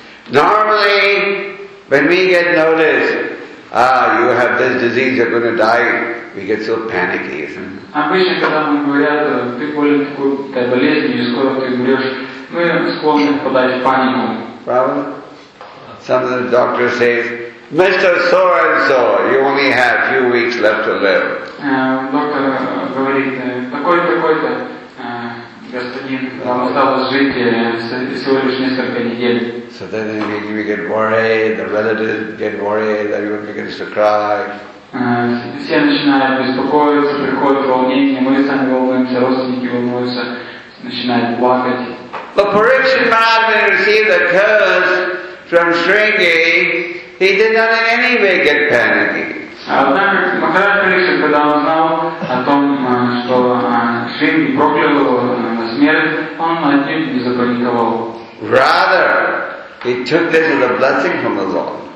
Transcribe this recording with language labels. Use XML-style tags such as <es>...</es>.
<en>Normally, when we get noticed, you have this disease, you're going to die, we get so panicky, isn't it?</en> <ru>Обычно, когда нам говорят, ты болен какой-то болезнью, скоро ты умрешь, мы склонны впадать в панику. Правда?</ru> <en>Some of the doctors say, Mr. So-and-so, you only have few weeks left to live.</en> <ru>Доктор говорит, такой-то, господин, вам осталось жить всего лишь несколько недель.</ru> <en>So then we get worried, the relatives get worried, everyone begins to cry.</en> <ru>Все начинают беспокоиться, приходят волнения, мы сами волнуемся, родственники волнуются, начинают плакать.</ru> <en>But Parikshit Maharaj, when he received the curse from Sringi, he did not in any way get panicky.</en> <ru>Однако Махарад Парикшит, когда он знал о том, что Шринги проклял его на смерть, он отнюдь не запаниковал.</ru> <en>Rather, he took this as a blessing from the Lord.</en>